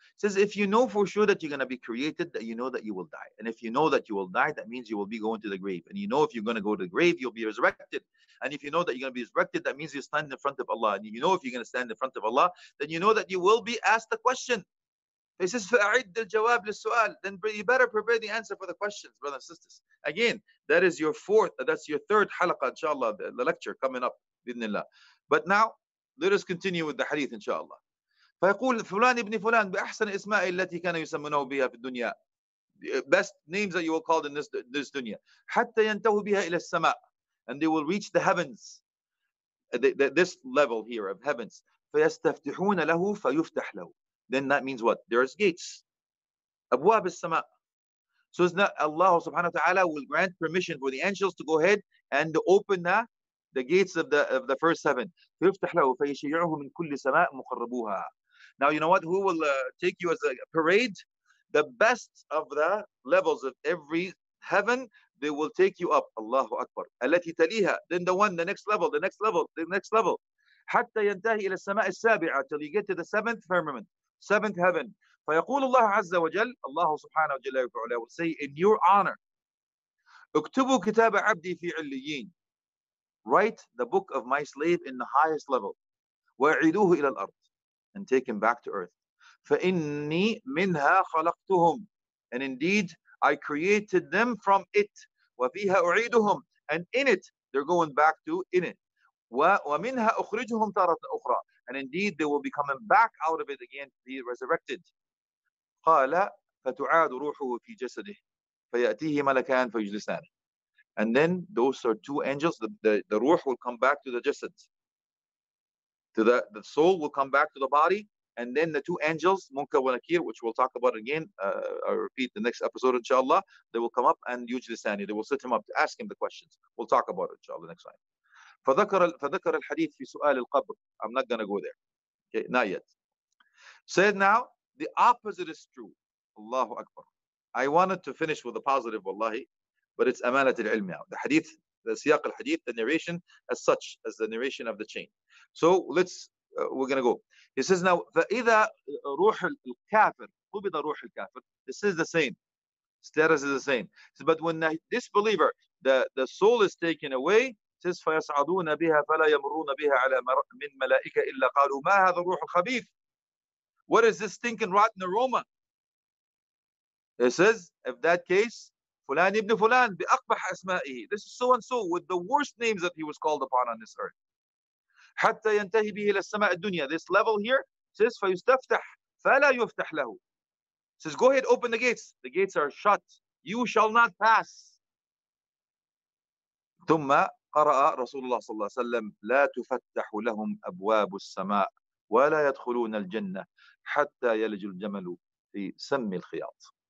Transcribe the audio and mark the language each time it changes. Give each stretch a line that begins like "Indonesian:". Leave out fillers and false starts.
English: He says, if you know for sure that you're going to be created, that you know that you will die. And if you know that you will die, that means you will be going to the grave. And you know if you're going to go to the grave, you'll be resurrected. And if you know that you're going to be resurrected, that means you stand in front of Allah. And you know if you're going to stand in front of Allah, then you know that you will be asked the question. He says,
Arabic: فَأَعِدْ الْجَوَابِ لِلسُّؤَالِ.
English: Then you better prepare the answer for the questions, brothers and sisters. Again, that is your fourth, that's your third halaqa, inshallah, the lecture coming up, بإذن الله. But now, let us continue with the hadith, inshallah.
Arabic: فَيَقُولْ فُلَان إِبْنِ فُلَان بِأَحْسَنِ إِسْمَائِ الَّتِي كَانَ يُسَمُّنَهُ بِهَا فِي الدُّنْيَا.
English: Best names that you will call in this dunya.
Arabic: حَتَّى يَنْتَهُ بِهَا إِلَى السَّمَاءِ.
English: And they will reach the heavens, this level here of heavens.
Arabic: فَيَسْتَفْتِحُونَ لَهُ فَيُفْتَحْ لَهُ.
English: Then that means what? There's gates.
Arabic: أبواب السماء.
English: So it's not Allah subhanahu wa ta'ala will grant permission for the angels to go ahead and open the gates of the first heaven.
Arabic: فيفتح له فيشيعه من كل سماء مقربوها.
English: Now you know what? Who will take you as a parade? The best of the levels of every heaven, they will take you up.
Arabic: Allahu Akbar. التي تليها.
English: Then the one, the next level, the next level, the next level.
Arabic: حتى ينتهي إلى السماء السابعة.
English: Till you get to the seventh firmament. Seventh heaven.
Arabic: فيقول الله عز وجل, الله سبحانه وجل وعلا
English: will say, in your honor,
Arabic: اكتبوا كتاب عبدي في عليين.
English: Write the book of my slave in the highest level.
Arabic: وعيدوه إلى الأرض.
English: And take him back to earth.
Arabic: فإني منها خلقتهم.
English: And indeed, I created them from it.
Arabic: وفيها أعيدهم.
English: And in it, they're going back to in it.
Arabic: ومنها أخرجهم تارة أخرى.
English: And indeed, they will be coming back out of it again to be resurrected. قال
Arabic: فتعاد روحه في جسده فيأتيه ملكان فيجلسان.
English: And then those are two angels, the ruh will come back to the jasad. The soul will come back to the body, and then the two angels, Munkar wa Nakir, which we'll talk about again, I'll repeat the next episode, inshallah, they will come up and yujlisani, they will sit him up to ask him the questions. We'll talk about it, inshallah, next time. فذكر الحديث في سؤال القبر. I'm not going to go there. Okay, not yet. Said now, the opposite is true. Allahu Akbar. I wanted to finish with a positive, wallahi, but it's amanat al-ilm now. The hadith, the siyaq al-hadith, the narration as such, as the narration of the chain. So let's, we're going to go. He says now,
Arabic: فَإِذَا رُوحُ الْكَافِرُ قُبِضَ رُوحُ الْكَافِرُ.
English: This is the same. Status is the same. Says, but when the disbeliever, the soul is taken away, says,
Arabic: فَيَسْعَدُونَ بِهَا فَلَا يَمُرُونَ بِهَا عَلَى مِنْ مَلَائِكَ إِلَّا قَالُوا مَا هَذَا الرُّوحُ الْخَبِيثُ.
English: What is this stinking rotten aroma? It says, if that case,
Arabic: فلان ابن فلان بأقبح أسمائه.
English: This is so-and-so with the worst names that he was called upon on this earth.
Arabic: حتى ينتهي به إلى السماء الدنيا.
English: This level here says,
Arabic: فيستفتح فلا يفتح له.
English: Says, go ahead, open the gates. The gates are shut. You shall not pass.
Arabic: ثم قرأ رسول الله صلى الله عليه وسلم لا تفتح لهم أبواب السماء ولا يدخلون الجنة حتى يلج الجمل في سم الخياط.